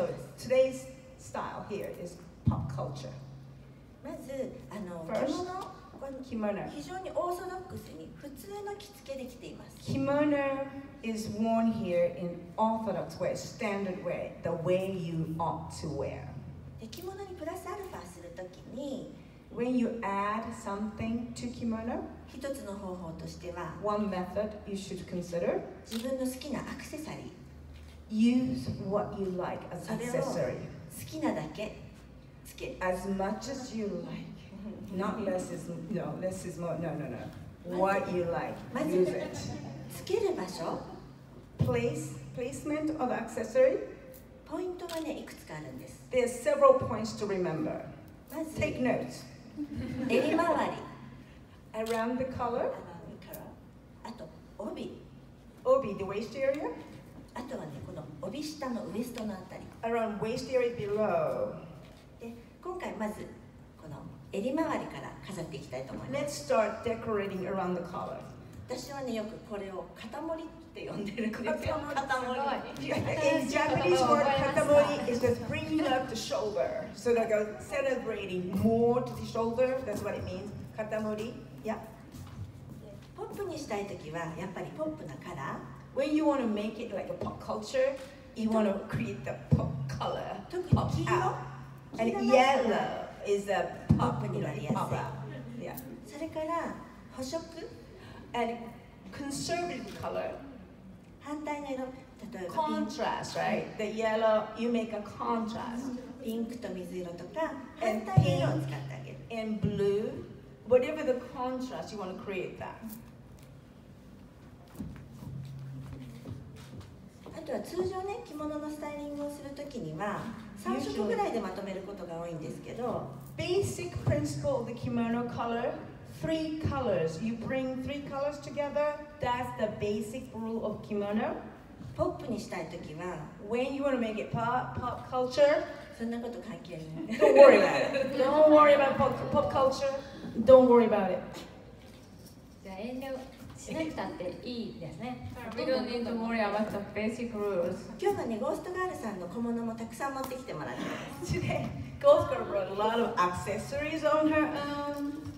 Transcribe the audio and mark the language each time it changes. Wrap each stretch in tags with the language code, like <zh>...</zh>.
<en>And so today's style here is pop culture.</en> <ja>まず</ja> <en>First,</en> <ja>着物非常にオーソドックスに普通の着付けで着ています。</ja> <en>Kimono is worn here in orthodox way, standard way, the way you ought to wear.</en> <ja>で着物にプラスアルファするときに、</ja> <en>When you add something to kimono,</en> <ja>一つの方法としては、</ja> <en>One method you should consider,</en> <ja>自分の好きなアクセサリー。</ja> <en>Use what you like as accessory.</en> <ja>好きなだけ。</ja> <en>As much as you like. Not less is no, less is more. No, no, no. What you like, use it.</en> <ja>つける場所。</ja> <en>Placement of accessory.</en> <ja>ポイントはね、いくつかあるんです。</ja> <en>There are several points to remember. Take notes.</en> <ja>襟周り。</ja> <en>Around the collar.</en> <ja>あと帯。</ja> <en>帯、the waist area.</en> <ja>あとはね、この帯下のウエストのあたり。</ja> <en>Around waist area below.</en> <ja>で、今回まずこの襟周りから飾っていきたいと思います。</ja> <en>Let's start decorating around the collar.</en> <ja>私はね、よくこれを肩盛りって呼んでるんですよ。肩盛り。</ja> <en>In Japanese word, 肩盛り is just bringing up the shoulder. So that goes celebrating more to the shoulder. That's what it means. 肩盛り。</en> <ja>ポップにしたいときは、やっぱりポップなカラー。</ja> <en>When you want to make it like a pop culture, you want to create the pop color. Pop out. And yellow is a pop color. Yeah.</en> <ja>それから補色</ja> <en>and conservative color.</en> <ja>反対の色、例えば</ja> <en>contrast, right? The yellow, you make a contrast.</en> <ja>ピンクと水色とか反対色を使ってあげる。</ja> <en>And blue, whatever the contrast, you want to create that.</en> <ja>あとは通常ね、着物のスタイリングをするときには3色ぐらいでまとめることが多いんですけど、</ja> <en>Basic principle of the kimono color, three colors. You bring three colors together. That's the basic rule of kimono.</en> <ja>ポップにしたいときは、</ja> <en>When you want to make it pop culture,</en> <ja>そんなこと関係ない。</ja> <en>Don't worry about pop culture. Don't worry about it.</en> <ja>じゃあ遠慮。しなくたっていいですね。</ja> <en>We don't need to worry about the basic rules.</en> <ja>今日はね、ゴーストガールさんの小物もたくさん持ってきてもらってます。</ja> <en>Today, Ghost Girl brought a lot of accessories on her own.</en>